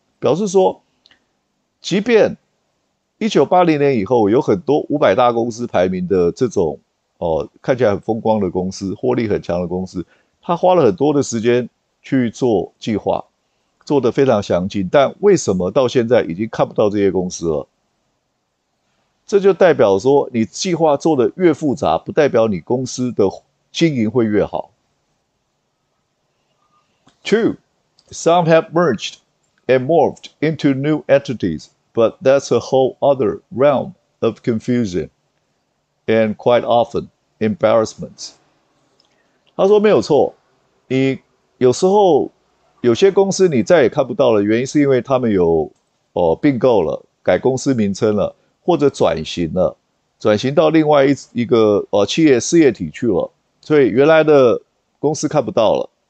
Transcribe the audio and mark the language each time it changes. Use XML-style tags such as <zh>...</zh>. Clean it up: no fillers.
<zh>表示说即便1980年以后有很多500大公司排名的这种看起来很风光的公司，获利很强的公司，他花了很多的时间去做计划，做得非常详尽，但为什么到现在已经看不到这些公司了？这就代表说，你计划做得越复杂，不代表你公司的经营会越好。</zh> <en>Two, some have merged and morphed into new entities, but that's a whole other realm of confusion and quite often embarrassments.</en> <zh>他说没有错，你有时候有些公司你再也看不到了，原因是因为他们有并购了，改公司名称了，或者转型了，转型到另外一个企业事业体去了，所以原来的公司看不到了。</zh>